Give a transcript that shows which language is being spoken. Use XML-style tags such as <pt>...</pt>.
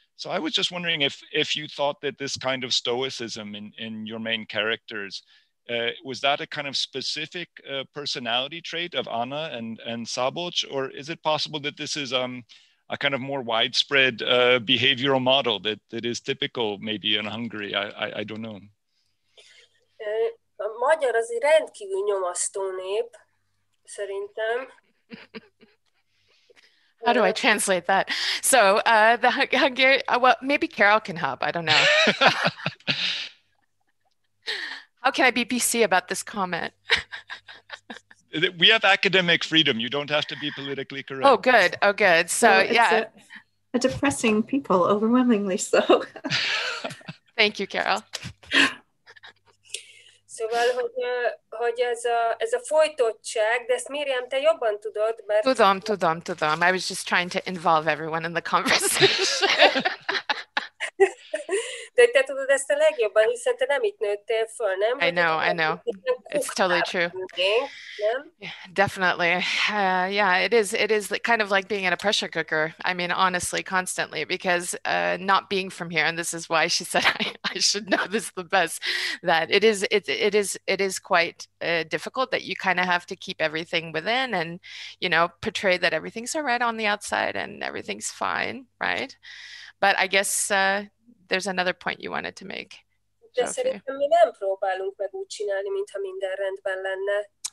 <en>So I was just wondering if you thought that this kind of stoicism in your main characters, was that a kind of specific personality trait of Anna and Szabolcs, or is it possible that this is a kind of more widespread behavioral model that is typical maybe in Hungary? I don't know.</en> <hu>A magyar az egy rendkívül nyomasztó nép, szerintem.</hu> <en>How do I translate that? So the Hungarian, well, maybe Carol can help. I don't know. How can I be BC about this comment? We have academic freedom. You don't have to be politically correct. Oh, good. Oh, good. So, yeah. A depressing people, overwhelmingly so. Thank you, Carol.</en> <hu>Szóval, hogy ez a folytottság, de ezt Miriam, te jobban tudod, mert... Tudom.</hu> <en>I was just trying to involve everyone in the conversation.</en> <hu>De te tudod ezt a legjobban, hiszen te nem itt nőttél föl, nem?</hu> <en>I know. It's totally true. Yeah, definitely. Yeah, it is kind of like being in a pressure cooker. I mean, honestly, constantly, because not being from here, and this is why she said I should know this the best, that it is quite difficult, that you kind of have to keep everything within and, you know, portray that everything's all right on the outside and everything's fine, right? But I guess there's another point you wanted to make.</en> <hu>De szerintem mi nem próbálunk meg úgy csinálni, mintha minden rendben lenne.</hu>